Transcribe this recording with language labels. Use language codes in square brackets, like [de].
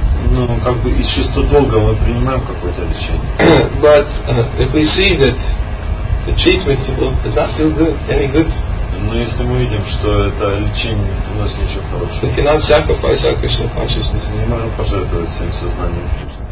[ru] Ну, как бы из чувства долга мы принимаем какое-то лечение. [en] But if we see that the treatment does not do good, any good. [ru] Но если мы видим, что это лечение, то у нас ничего хорошего. [en] We cannot sacrifice our Krishna consciousness. [ru] Не можем пожертвовать своим сознанием Кришны.